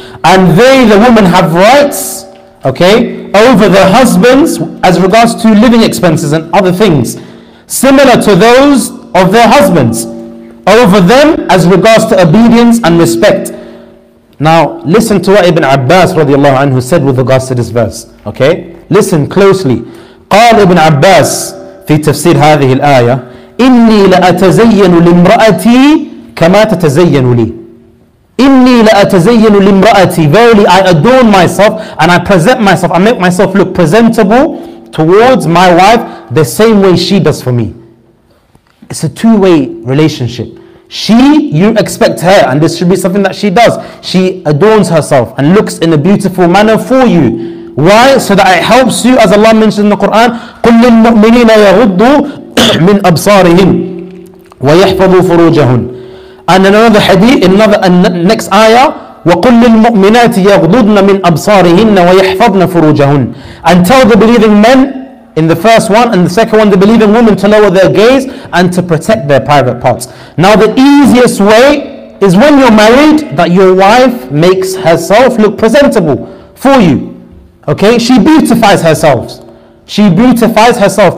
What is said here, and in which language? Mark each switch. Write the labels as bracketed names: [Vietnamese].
[English] And they, the women, have rights, okay, over their husbands as regards to living expenses and other things, similar to those of their husbands, over them as regards to obedience and respect. Now, listen to what Ibn Abbas radiallahu anhu said with regards to this verse, okay? Listen closely. [Arabic] قال Ibn Abbas في تفسير هذه الآية إني لأتزين لامرأتي كما تتزين لي إني لأتزين لامرأتي. [English] Verily, I adorn myself and I present myself, I make myself look presentable towards my wife the same way she does for me. It's a two-way relationship. She, you expect her, and this should be something that she does. She adorns herself and looks in a beautiful manner for you. Why? So that it helps you, as Allah mentioned in the Quran, [Arabic] قُلْ لِلْمُؤْمِنِينَ يَغُضُّوا مِنْ أَبْصَارِهِمْ وَيَحْفَظُوا فُرُوجَهُمْ. [English] And another hadith, next ayah, [Arabic] وَقُلْ لِلْمُؤْمِنَاتِ يَغْضُضْنَ مِنْ أَبْصَارِهِنَّ وَيَحْفَظْنَ فُرُوجَهُمْ. [English] And tell the believing men, in the first one, and the second one, the believing women, to lower their gaze and to protect their private parts. Now, the easiest way is when you're married, that your wife makes herself look presentable for you. Okay, she beautifies herself. She beautifies herself.